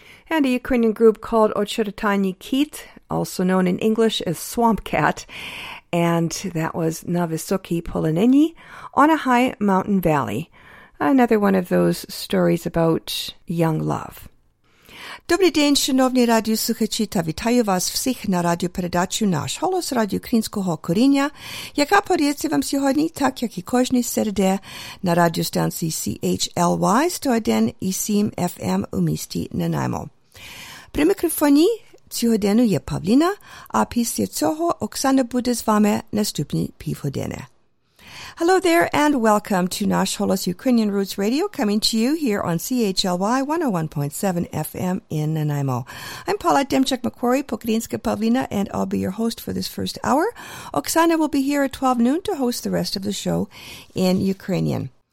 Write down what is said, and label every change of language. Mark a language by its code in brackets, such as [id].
[en] And a Ukrainian group called Ochertani Kit, also known in English as Swamp Cat, and that was Na Visoki Polonini, On a High Mountain Valley, another one of those stories about young love. [uk] Добрий день, шановні радіослухачі, та вітаю вас всіх на радіопередачі «Наш голос» радіо українського коріння, яка подається вам сьогодні, так як і кожні середи, на радіостанції CHLY 101 і 7 FM у місті Нанаймо. При мікрофоні цього дню є Павліна, а після цього Оксана буде з вами наступні півгодини. [en] Hello there and welcome to Nash Holos Ukrainian Roots Radio, coming to you here on CHLY 101.7 FM in Nanaimo. I'm Paula Demchuk-Macquarie, Pokrinska Pavlina, and I'll be your host for this first hour. Oksana will be here at 12 noon to host the rest of the show in Ukrainian.